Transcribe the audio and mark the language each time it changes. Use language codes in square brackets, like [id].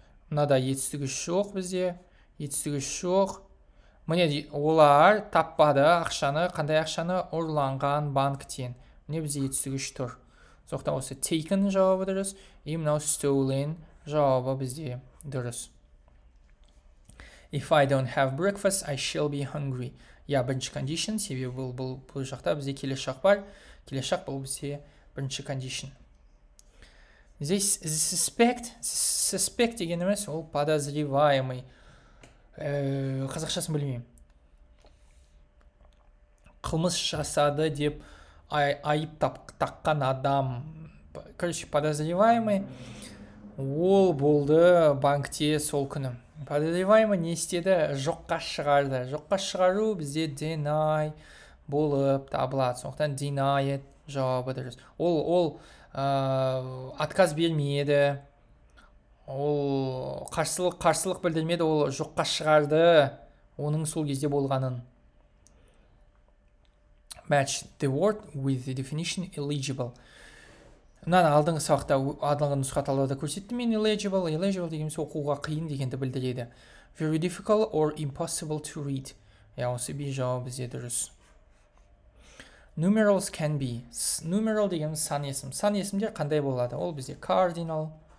[kk] Нада етістік үш жоқ бізде. Етістік үш жоқ. Міне, олар таппады ақшаны, қандай ақшаны ұрланған банктен. Міне, бізде етістік үш тұр. Соқта осы taken жауабы дұрыс, мынау stolen жауабы бізде дұрыс. [en] If I don't have breakfast, I shall be hungry. [kk] Yeah, бірінші condition, себебі бұл жақта бізде келешақ бар. Келешақ бұл бізде бірінші condition. [en] This suspect [kk] дегеніміз ол подозреваемый. Қазақшасын білмеймін. Қылмыс жасады деп айып таққан адам. Короче, подозреваемый ол болды банкте сол күні. Подозреваемый не істеді? Жоққа шығарды. Жоққа шығару бізде deny болып табылады. Сондықтан deny it жауабы дұрыс. Ол отказ бермейді. Ол қарсылық білдірмеді, ол жоққа шығарды оның сол кезде болғанын. [en] Match the word with the definition eligible. [kk] Мынаны алдыңғы сабақта алдыңғы нұсқа талдауда көрсеттім мен. Eligible деген сөз оқуға қиын дегенді білдіреді. [en] Very difficult or impossible to read. [kk] Осы бір жауап бізде дұрыс. [en] Numerals can be. [kk] Numeral деген сан есім. Сан есімдер қандай болады? Ол бізде cardinal.